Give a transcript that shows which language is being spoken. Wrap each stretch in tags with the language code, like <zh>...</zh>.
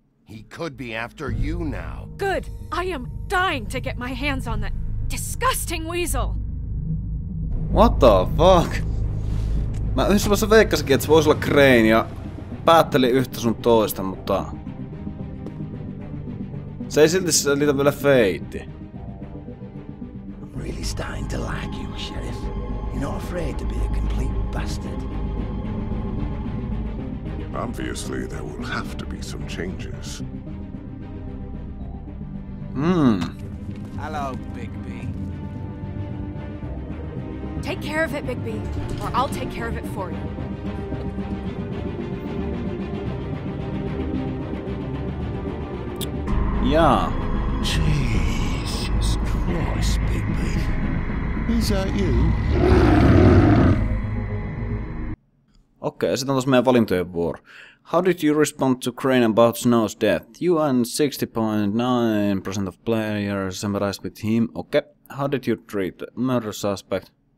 <en>He could be after you now. Good. I am dying to get my hands on that disgusting weasel. What the fuck?</en> <fi>Mä yhdessä vaiheessa veikkasinkin, että se voisi olla Crane ja päättelin yhtä sun toista, mutta... Se ei silti selitä vielä feitti.</fi> <en>Really starting to like you, Sheriff. You're not afraid to be a complete bastard. Obviously, there will have to be some changes. Hello, Bigby. Take care of it, Bigby, or I'll take care of it for you. Yeah. Jesus Christ, Bigby. Is that you?</en> <fi>Okay, sitten on taas meidän valintojen vuoro.</fi> <en>How did you respond to Crane about Snow's death? You and 60.9% of players summarized with him. Okay, how did you treat the murder suspect?</en>